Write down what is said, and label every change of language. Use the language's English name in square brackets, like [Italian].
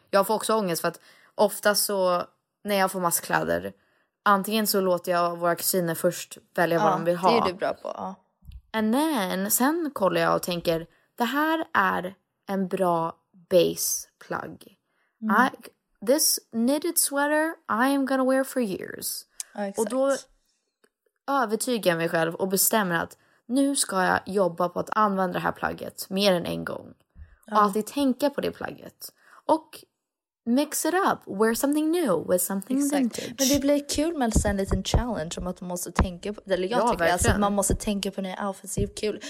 [Swedish] Jag får också ångest för att ofta så när jag får massa kläder, antingen så låter jag våra kusiner först välja vad de vill ha. Det är du bra på, [English] And then, [Swedish] sen kollar jag och tänker, det här är en bra baseplagg. [English] This knitted sweater I am gonna wear for years. Exactly. [Swedish] Och då övertygar jag mig själv och bestämmer att nu ska jag jobba på att använda det här plagget mer än en gång. Och alltid tänka på det plagget. [English] Och mix it up. Wear something new with something vintage. [Swedish] Men det blir kul med en liten challenge om att man måste tänka på, eller jag tycker alltså att man måste tänka på nya outfits. Det är kul.